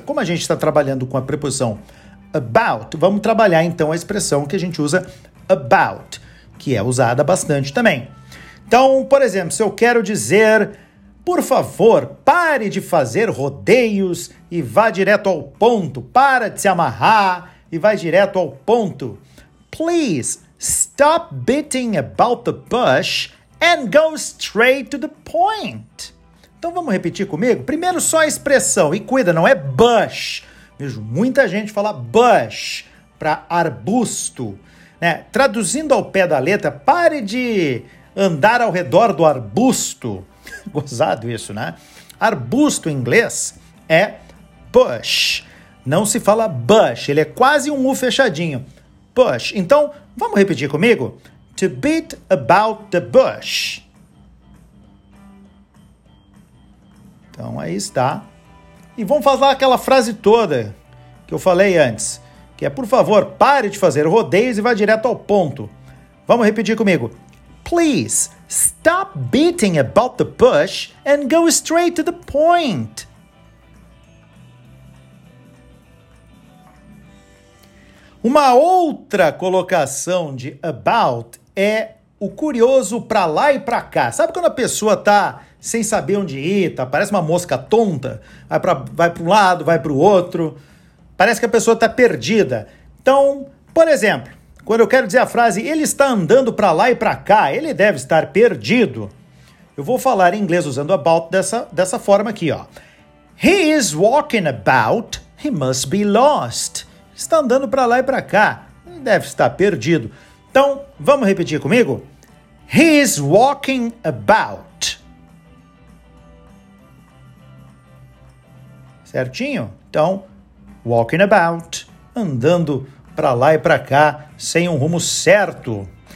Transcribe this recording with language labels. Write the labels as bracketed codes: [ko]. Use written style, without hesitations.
[pt] Como a gente está trabalhando com a preposição about, vamos trabalhar então a expressão que a gente usa about, que é usada bastante também. Então, por exemplo, se eu quero dizer, por favor, pare de fazer rodeios e vá direto ao ponto, para de se amarrar e vá direto ao ponto. [en] Please, stop beating about the bush and go straight to the point. [pt] Então vamos repetir comigo? Primeiro só a expressão, e cuida, não é bush. Vejo muita gente fala bush para arbusto, né? Traduzindo ao pé da letra, pare de andar ao redor do arbusto. Gozado isso, né? Arbusto em inglês é bush. Não se fala bush, ele é quase um U fechadinho. [en] Bush. [pt] Então, vamos repetir comigo? [en] To beat about the bush. [pt] Então, aí está. E vamos falar aquela frase toda que eu falei antes, que é, por favor, pare de fazer rodeios e vá direto ao ponto. Vamos repetir comigo? [en] Please, stop beating about the bush and go straight to the point. [pt] Uma outra colocação de about é o curioso pra lá e pra cá. Sabe quando a pessoa tá sem saber onde ir, tá? Parece uma mosca tonta, vai pra um lado, vai pro outro. Parece que a pessoa tá perdida. Então, por exemplo, Quando eu quero dizer a frase, ele está andando para lá e para cá, ele deve estar perdido. Eu vou falar em inglês usando about dessa forma aqui, ó. [en] He is walking about, he must be lost. [pt] Está andando para lá e para cá, ele deve estar perdido. Então, vamos repetir comigo? [en] He is walking about. [pt] Certinho? Então, [en] walking about, [pt] andando para lá e para cá, sem um rumo certo.